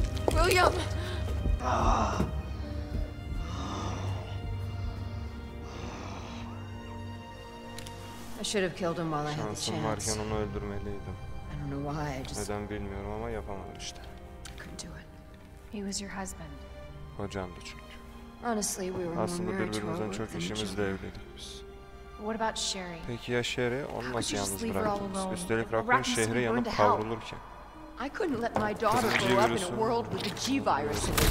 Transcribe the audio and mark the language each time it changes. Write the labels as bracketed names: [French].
[English] William! I should have killed him while I had the chance. [Turkish] Varken onu öldürmeliydim. [English] I don't know why, I just... [Turkish] Neden bilmiyorum ama yapamadım işte. [English] I couldn't do it. He was your husband. [Turkish] Kocamdı çünkü. [English] Honestly, we were [Turkish] aslında birbirimizden çok işimizle evliydik biz. [English] What about Sherry? [Turkish] Peki ya Sherry? Onu nasıl yalnız bıraktınız? Üstelik Raccoon şehri yanıp kavrulurken. [English] I couldn't let my daughter grow up in a world with the G virus.